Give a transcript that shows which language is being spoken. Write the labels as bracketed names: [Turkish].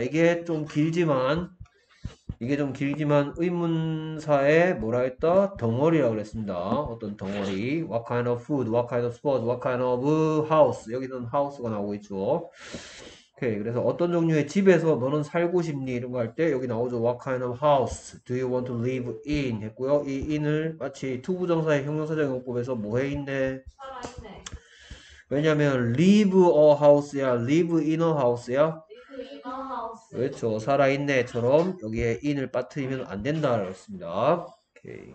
[Korean] 이게 좀 길지만 의문사의 뭐라 했다? 덩어리라고 그랬습니다. 어떤 덩어리. [English] What kind of food? What kind of sport? What kind of house? [Korean] 여기는 house가 나오고 있죠. 오케이. 그래서 어떤 종류의 집에서 너는 살고 싶니? 이런 거할때 여기 나오죠. [English] What kind of house do you want to live in? [Korean] 했고요. 이 in을 마치 to 부정사의 형용사적 용법에서 뭐해 있네? 왜냐면 [English] live a house야, live in a house야. [Korean] 그렇죠. 살아있네처럼 여기에 in을 빠뜨리면 안 된다라고 했습니다. 오케이.